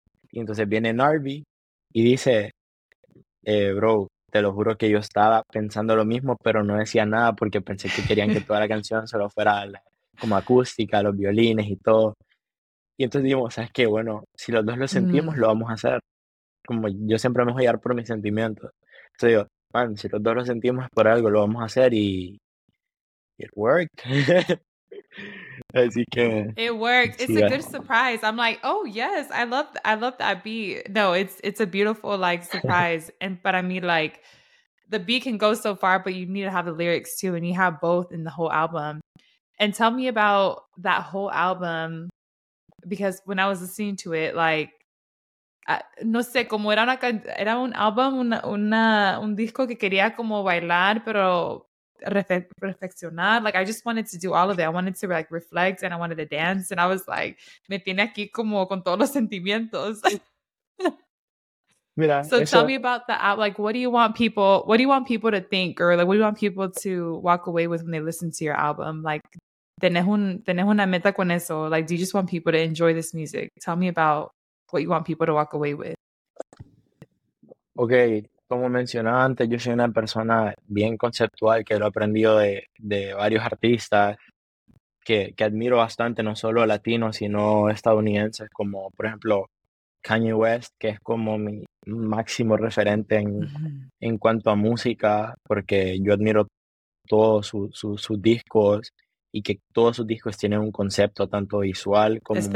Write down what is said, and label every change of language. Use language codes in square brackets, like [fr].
[es] Y entonces viene Narvi y dice, bro, te lo juro que yo estaba pensando lo mismo, pero no decía nada porque pensé que querían que toda la canción solo fuera como acústica, los violines y todo. Y entonces dijimos, ¿sabes qué? Bueno, si los dos lo sentimos, lo vamos a hacer. Como yo siempre me voy a guiar por mis sentimientos. Entonces digo, man, si los dos lo sentimos por algo, lo vamos a hacer y [en] it worked. [es] Así que, [en] It worked. It's [es] sí. [en] a good surprise. I'm like, oh yes, I love that beat. No, it's a beautiful like surprise. And but I mean like the beat can go so far, but you need to have the lyrics too, and you have both in the whole album. And tell me about that whole album, because when I was listening to it, like, [es] no sé, como era una, era un álbum, un disco que quería como bailar, pero reflexionar. [en] Like, I just wanted to do all of it. I wanted to, like, reflect, and I wanted to dance. And I was like, [es] me tiene aquí como con todos los sentimientos. Mira, [en] so eso, tell me about the app. Like, what do you want people, what do you want people to think, or like, what do you want people to walk away with when they listen to your album? Like, [es] tenés una meta con eso? [en] Like, do you just want people to enjoy this music? Tell me about what you want people to walk away with. [es] Okay, como mencionaba antes, yo soy una persona bien conceptual que lo he aprendido de varios artistas que admiro bastante, no solo latinos, sino estadounidenses, como por ejemplo Kanye West, que es como mi máximo referente en cuanto a música, porque yo admiro todos sus discos, y que todos sus discos tienen un concepto tanto visual como musical.